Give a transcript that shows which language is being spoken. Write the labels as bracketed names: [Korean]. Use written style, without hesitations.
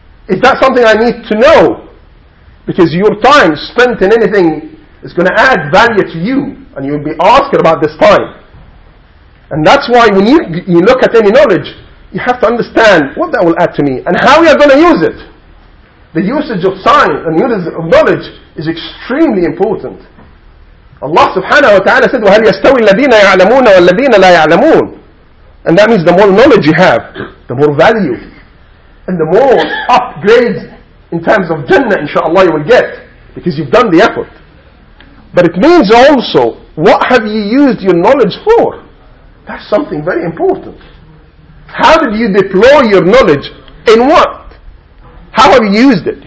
[English] Is that something I need to know? Because your time spent in anything is going to add value to you. And you'll be asking about this time. And that's why when you look at any knowledge, you have to understand what that will add to me and how you're going to use it. The usage of science and usage of knowledge is extremely important. Allah subhanahu wa ta'ala said, [Arabic] وَهَلْ يَسْتَوِي الَّذِينَ يَعْلَمُونَ وَالَّذِينَ لَا يَعْلَمُونَ. [English] And that means the more knowledge you have, the more value, and the more upgrades in terms of Jannah, inshaAllah, you will get, because you've done the effort. But it means also, what have you used your knowledge for? That's something very important. How did you deploy your knowledge? In what? How have you used it?